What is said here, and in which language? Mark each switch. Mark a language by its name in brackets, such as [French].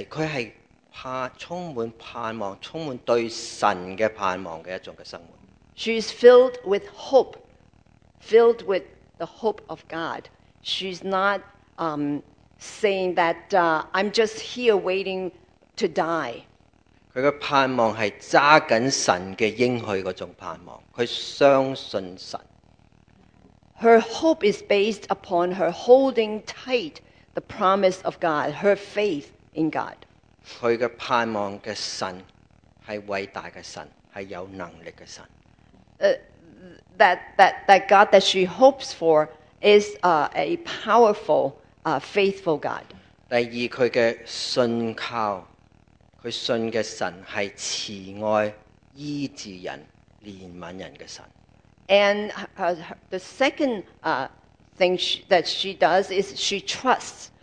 [Cantonese] 佢係充滿盼望，充滿對神嘅盼望嘅一種嘅生活。 [English] She's filled with hope, filled with the hope of God. She's not saying that I'm just here waiting to die. [Cantonese] 佢嘅盼望係揸緊神嘅應許嗰種盼望，佢相信神。 [English] Her hope is based upon her holding tight the promise of God, her faith in God. [Cantonese] 佢嘅盼望嘅神係偉大嘅神，係有能力嘅神。 [English] That God that she hopes for is a powerful, faithful God. [Cantonese] 第二，佢嘅信靠，佢信嘅神係慈愛、醫治人、憐憫人嘅神。 [English] And the second thing that she does is she trusts.